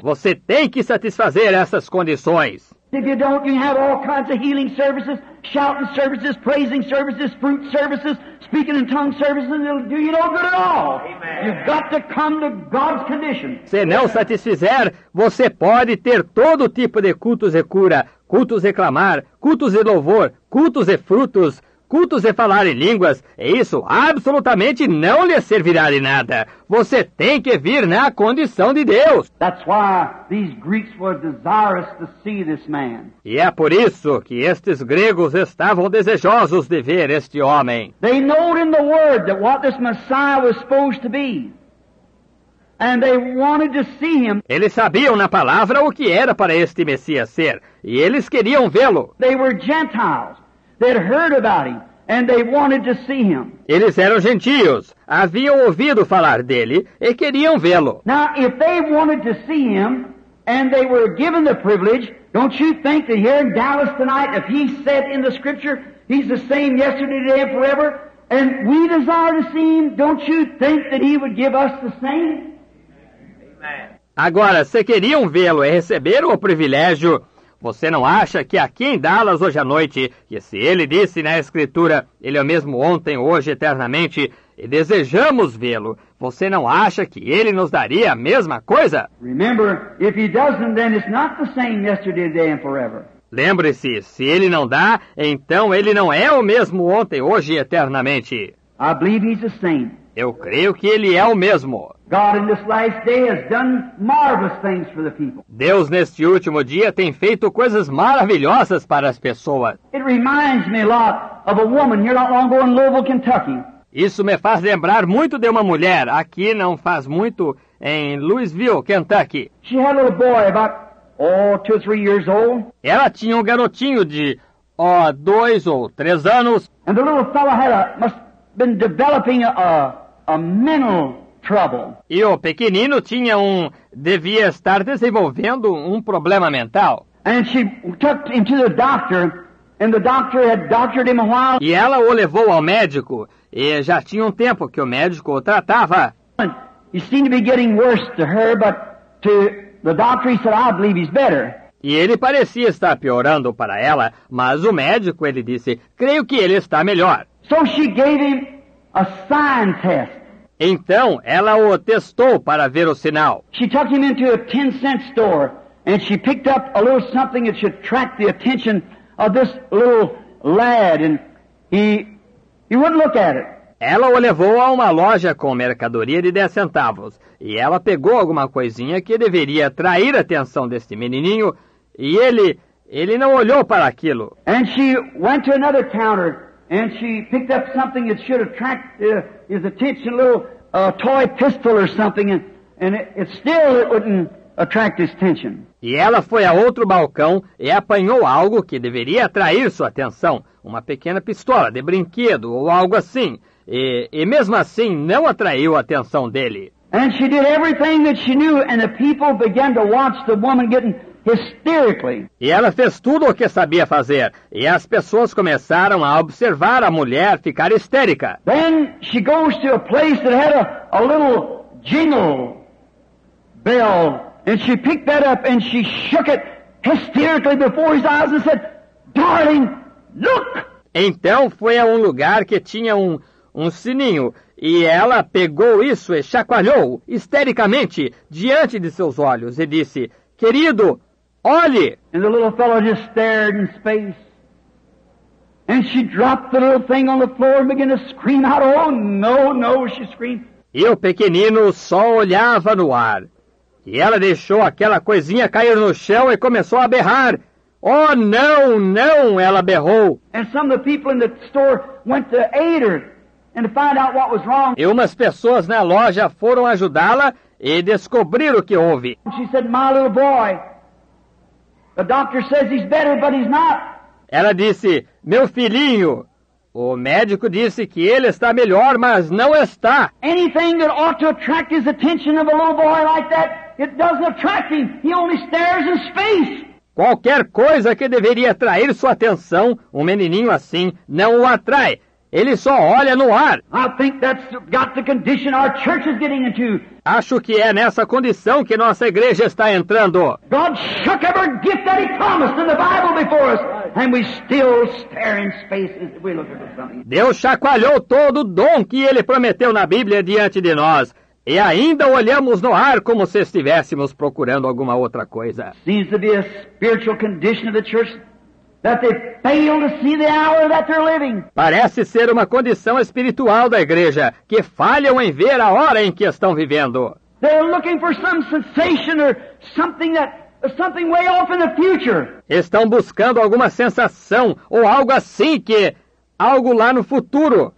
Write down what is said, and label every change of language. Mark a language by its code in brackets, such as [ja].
[pt] Você tem que satisfazer essas condições. [en] If you don't, you have all kinds of healing services, shouting services, praising services, fruit services, speaking in tongue services, and it'll do you no good at all. Amen. You've got to come to God's condition. [pt] Se não satisfizer, você pode ter todo tipo de cultos de cura, cultos de clamar, cultos de louvor, cultos de frutos, cultos de falar em línguas, e isso absolutamente não lhe servirá de nada. Você tem que vir na condição de Deus. [en] That's why these Greeks were desirous to see this man. [pt] E é por isso que estes gregos estavam desejosos de ver este homem. [en] They knew in the word that what this Messiah was supposed to be. And they wanted to see him. [pt] Eles sabiam na palavra o que era para este Messias ser, e eles queriam vê-lo. [en] They were Gentiles. They'd heard about him, and they wanted to see him. [pt] Eles eram gentios, haviam ouvido falar dele e queriam vê-lo. [en] Now, if they wanted to see him, and they were given the privilege, don't you think that here in Dallas tonight, if he said in the Scripture, he's the same yesterday, today, and forever, and we desire to see him, don't you think that he would give us the same? Amen. [pt] Agora, se queriam vê-lo e receber o privilégio, você não acha que aqui em Dallas hoje à noite, que se ele disse na Escritura, ele é o mesmo ontem, hoje, eternamente, e desejamos vê-lo, você não acha que ele nos daria a mesma coisa? [en] Remember, if he doesn't, then it's not the same yesterday, today and forever. [pt] Lembre-se, se ele não dá, então ele não é o mesmo ontem, hoje e eternamente. [en] I believe he's the same. [pt] Eu creio que ele é o mesmo. [en] God in this last day has done marvelous things for the people. [pt] Deus neste último dia tem feito coisas maravilhosas para as pessoas. [en] It reminds me a lot of a woman here not long ago in Louisville, Kentucky. [pt] Isso me faz lembrar muito de uma mulher aqui não faz muito em Louisville, Kentucky. [en] She had a little boy about two or three years old. [pt] Ela tinha um garotinho de dois ou três anos. [en] And the little fellow had been developing a mental trouble. [pt] E o pequenino tinha devia estar desenvolvendo problema mental. [en] And she took him to the doctor, and the doctor had doctored him a while. [pt] E ela o levou ao médico, e já tinha tempo que o médico o tratava. [en] He seemed to be getting worse to her, but to the doctor he said, I believe he's better. [pt] E ele parecia estar piorando para ela, mas o médico ele disse, creio que ele está melhor. [en] So she gave him a sign test. [pt] Então, ela o testou para ver o sinal. [en] She took him into a 10-cent store, and she picked up a little something that should attract the attention of this little lad, and he wouldn't look at it. [pt] Ela o levou a uma loja com mercadoria de 10 centavos, e ela pegou alguma coisinha que deveria atrair a atenção deste menininho, e ele não olhou para aquilo. [en] And she went to another counter, and she picked up something that should attract his attention, a little toy pistol or something, and it wouldn't attract his attention. [pt] E ela foi a outro balcão e apanhou algo que deveria atrair sua atenção, uma pequena pistola de brinquedo ou algo assim, e mesmo assim não atraiu a atenção dele. [en] And she did everything that she knew, and the people began to watch the woman getting hysterically. [pt] E ela fez tudo o que sabia fazer. E as pessoas começaram a observar a mulher ficar histérica. [en] Then she goes to a place that had a little jingle bell, and she picked that up and she shook it hysterically before his eyes and said, "Darling, look!" [pt] Então foi a um lugar que tinha um sininho, e ela pegou isso e chacoalhou histericamente diante de seus olhos e disse, "Querido, olhe!" [en] And the little fellow just stared in space. And she dropped the little thing on the floor and began to scream out, "Oh, no, no," she screamed. [pt] E o pequenino só olhava no ar. E ela deixou aquela coisinha cair no chão e começou a berrar. "Oh, não, não," ela berrou. [en] And some of the people in the store went to aid her and to find out what was wrong. [pt] E umas pessoas na loja foram ajudá-la e descobriram o que houve. [en] She said, "My little boy, the doctor says he's better, but he's not." [pt] Ela disse, "Meu filhinho, o médico disse que ele está melhor, mas não está." [en] Anything that ought to attract his attention of a little boy like that, it doesn't attract him. He only stares in space. [pt] Qualquer coisa que deveria atrair sua atenção, um menininho assim, não o atrai. Ele só olha no ar. [en] I think that's got the condition our church is getting into. [pt] Acho que é nessa condição que nossa igreja está entrando. [en] God shook every gift that he promised in the Bible before us, and we still stare in space as we look at something. [pt] Deus chacoalhou todo o dom que ele prometeu na Bíblia diante de nós. E ainda olhamos no ar como se estivéssemos procurando alguma outra coisa. [en] Seems to be a spiritual condition of the church that they fail to see the hour that they're living. [pt] Parece ser uma condição espiritual da igreja que falham em ver a hora em que estão vivendo. [en] They're looking for some sensation or something that something way off in the future. [pt] Estão buscando alguma sensação ou algo assim que algo lá no futuro.